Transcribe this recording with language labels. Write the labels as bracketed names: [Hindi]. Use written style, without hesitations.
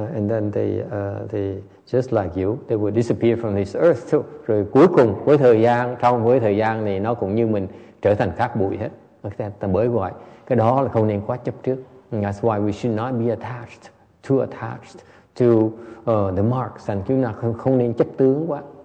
[English] And then they just like you, they will disappear from this earth too. [Vietnamese] Rồi cuối cùng với thời gian, trong với thời gian thì nó cũng như mình trở thành cát bụi hết. Bởi vậy, cái đó là không nên quá chấp trước. [English] And that's why we should not be attached, too attached to the marks. [Vietnamese] And chúng ta không nên chấp tướng quá.